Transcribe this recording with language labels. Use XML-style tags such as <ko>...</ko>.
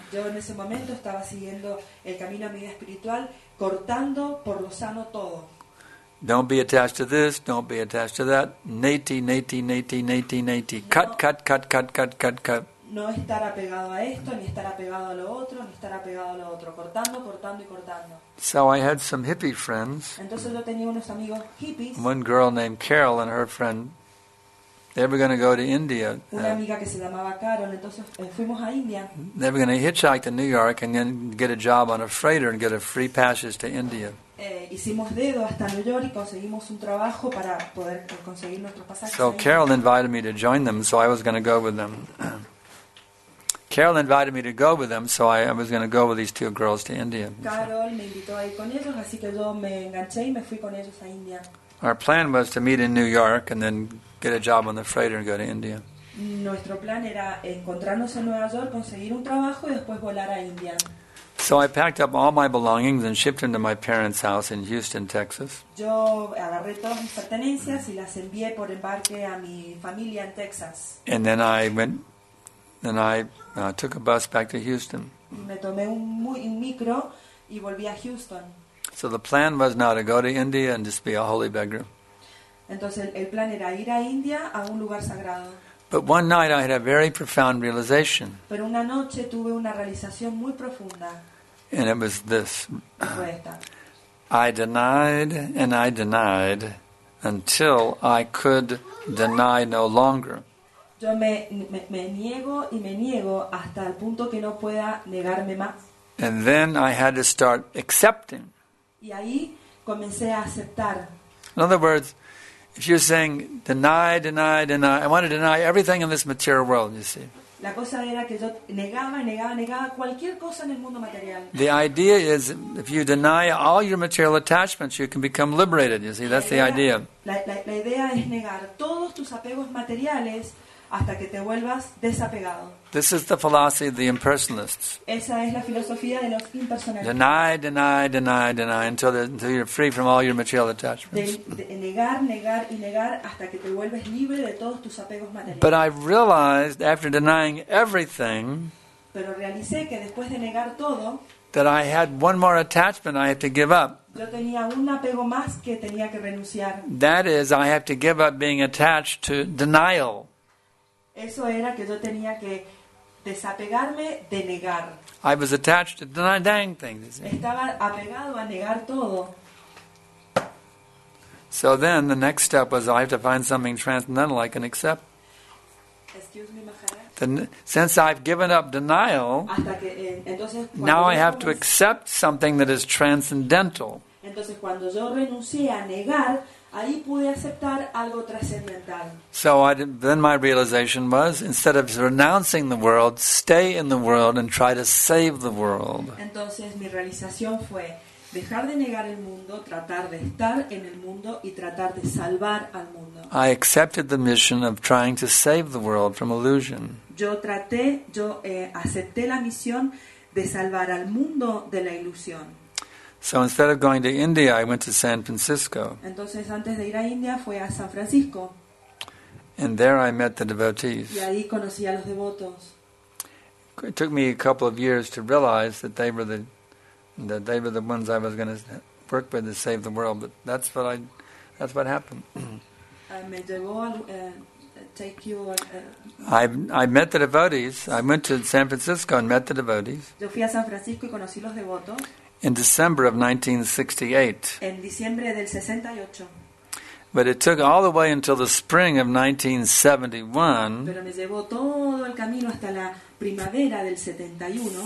<es>Yo en ese momento estaba siguiendo el camino a mi vida espiritual, cortando por lo sano todo.</es> <en>Don't be attached to this, don't be attached to that.</en> <sa>Neti, neti, neti, neti, neti.</sa> <en>No, cut, cut, cut, cut, cut, cut, cut.</en> <es>No estar apegado a esto, ni estar apegado a lo otro, ni estar apegado a lo otro. Cortando, cortando y cortando.</es> <en>So I had some hippie friends.</en> <es>Entonces yo tenía unos amigos hippies.</es> <en>One girl named Carol and her friend, they were going to go to India.</en> <es>Una amiga que se llamaba Carol, entonces fuimos a India.</es> <en>They were going to hitchhike to New York and then get a job on a freighter and get a free passage to India.</en> <es>Hicimos dedo hasta New York y conseguimos un trabajo para poder conseguir nuestro pasaje.</es> <en>So Carol invited me to join them, so I was going to go with them. Carol invited me to go with them, so I was going to go with these two girls to India.</en> <es>Carol me invitó a ir con ellos, así que yo me enganché y me fui con ellos a India.</es> <en>Our plan was to meet in New York and then get a job on the freighter and go to India.</en> <es>Nuestro plan era encontrarnos en Nueva York, conseguir un trabajo y después volar a India.</es> <en>So I packed up all my belongings and shipped them to my parents' house in Houston, Texas.</en> <es>Yo agarré todas mis pertenencias y las envié por embarque a mi familia en Texas.</es> <en>And then I went. Then I took a bus back to Houston.</en> <es>Me tomé un micro y volví a Houston.</es> <en>So the plan was now to go to India and just be a holy beggar.</en> <es>Entonces el plan era ir a India a un lugar sagrado.</es> <en>But one night I had a very profound realization.</en> <es>Pero una noche tuve una realización muy profunda.</es> <en>And it was this.</en> <es>Fue esta.</es> <en>I denied and I denied until I could deny no longer.</en> <es>Yo me niego y me niego hasta el punto que no pueda negarme más.</es> <en>And then I had to start accepting.</en> <es>Y ahí comencé a aceptar.</es> <en>In other words, if you're saying deny, deny, deny, I want to deny everything in this material world, you see.</en> <es>La cosa era que yo negaba, negaba, negaba cualquier cosa en el mundo material.</es> <en>The idea is, if you deny all your material attachments, you can become liberated. You see, that's the idea.</en> <es>La idea es negar todos tus apegos materiales. hasta que te vuelvas desapegado.</es> <en>This is the philosophy of the impersonalists.</en> <es>Esa es la filosofía de los impersonalistas.</es> <en>Deny until you're free from all your material attachments.</en> <es>Negar hasta que te vuelves libre de todos tus apegos materiales.</es> <en>But I realized after denying everything,</en> <es>pero realicé que después de negar todo,</es> <en>that I had one more attachment I had to give up.</en> <es>Yo tenía un apego más que tenía que renunciar.</es> <en>That is, I have to give up being attached to denial.</en> <es>Eso era que yo tenía que desapegarme de negar.</es> <en>I was attached to denying things.</en> <es>Estaba apegado a negar todo.</es> <en>So then the next step was I have to find something transcendental I can accept. Excuse me, Maharaj. Since I've given up denial,</en> <es>hasta que, entonces,</es> <en>now I have to accept something that is transcendental.</en> <es>Entonces, cuando yo renuncié a negar, ahí pude aceptar algo trascendental.</es> <en>So then my realization was, instead of renouncing the world, stay in the world and try to save the world.</en> <es>Entonces mi realización fue dejar de negar el mundo, tratar de estar en el mundo y tratar de salvar al mundo.</es> <en>I accepted the mission of trying to save the world from illusion.</en> <es>Yo acepté la misión de salvar al mundo de la ilusión.</es> <en>So instead of going to India, I went to San Francisco.</en> <es>Entonces, antes de ir a India, fui a San Francisco.</es> <en>And there I met the devotees.</en> <es>Y ahí conocí a los devotos.</es> <en>It took me a couple of years to realize that they were the ones I was going to work with to save the world, but that's what happened. I met the devotees. I went to San Francisco and met the devotees.</en> <es>Yo fui a San Francisco y conocí los devotos.</es> <en>In December of 1968.</en> <es>En diciembre del 68.</es> <en>But it took all the way until the spring of 1971.</en> <es>Pero me llevó todo el camino hasta la primavera del 71.</es>